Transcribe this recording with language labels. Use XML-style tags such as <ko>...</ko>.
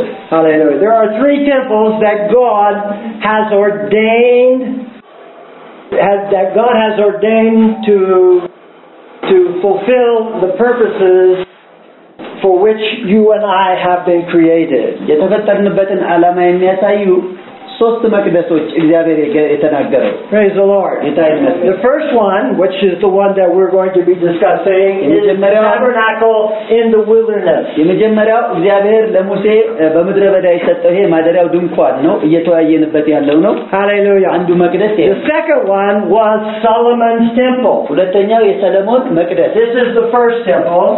<en>Hallelujah. There are three temples that God has ordained to fulfill the purposes for which you and I have been created.</en> <am>የተፈጠርንበትን ዓላማ የሚያሳዩ ሶስት መቅደሶች እግዚአብሔር የተናገረው.</am> <en>Praise the Lord. The first one, which is the one that we're going to be discussing, is the tabernacle in the wilderness.</en> <am>የመጀመሪያው እግዚአብሔር ለሙሴ በምድረ በዳ የሰጠው ይሄ ማደሪያው ድንኳን ነው እየተዋየንበት ያለው ነው.</am> <en>Hallelujah.</en> <am>አንዱ መቅደስ</am> <en>ይሄ. The second one was Solomon's temple.</en> <am>ሁለተኛው የሰለሞን መቅደስ.</am> <en>This is the first temple.</en>